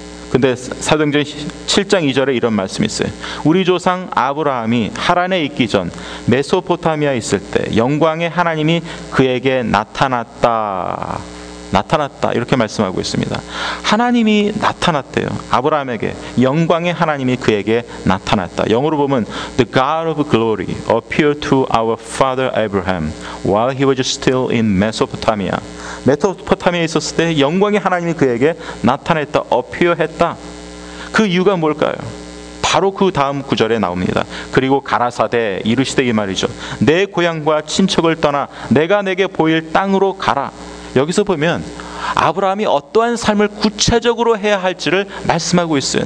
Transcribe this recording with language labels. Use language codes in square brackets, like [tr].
[ko] 근데 사도행전 7장 2절에 이런 말씀이 있어요. 우리 조상 아브라함이 하란에 있기 전 메소포타미아에 있을 때 영광의 하나님이 그에게 나타났다. 나타났다. 이렇게 말씀하고 있습니다. 하나님이 나타났대요. 아브라함에게 영광의 하나님이 그에게 나타났다. 영어로 보면 [en] The God of glory appeared to our father Abraham while he was still in Mesopotamia. [ko] 메소포타미아에 있었을 때 영광의 하나님이 그에게 나타났다. appear 했다. 그 이유가 뭘까요? 바로 그 다음 구절에 나옵니다. 그리고 가라사대 이르시되 이 말이죠. 내 고향과 친척을 떠나 내가 내게 보일 땅으로 가라. 여기서 보면 아브라함이 어떠한 삶을 구체적으로 해야 할지를 말씀하고 있어요.